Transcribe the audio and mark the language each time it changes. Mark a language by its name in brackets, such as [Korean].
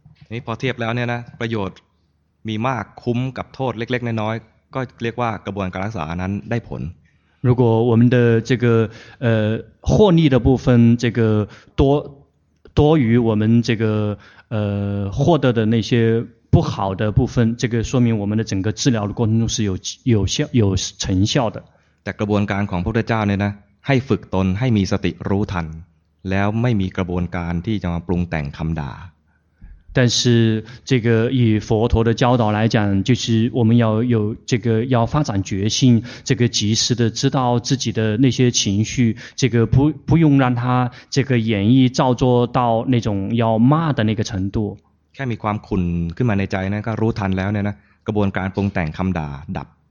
[Thai] นี่พอเทียบแล้วเนี่ยนะประโยชน์มีมากคุ้มกับโทษเล็กๆน้อยๆก็เรียกว่ากระบวนการรักษานั้นได้ผล [Chinese] 如果我们的这个获利的部分这个多于我们这个获得的那些不好的部分这个说明我们的整个治疗的过程中是有成效的 [Thai] แต่กระบวนการของพระพุทธเจ้าเนี่ยนะให้ฝึกตนให้มีสติรู้ทันแล้วไม่มีกระบวนการที่จะมาปรุงแต่งคำด่า [Chinese] 但是这个以佛陀的教导来讲就是我们要有这个要发展觉性这个及时的知道自己的那些情绪这个不用让他这个演绎造作到那种要骂的那个程度 [Thai] แค่มีความขุ่นขึ้นมาในใจนะก็รู้ทันแล้วเนี่ยนะกระบวนการปรุงแต่งคำด่าดับ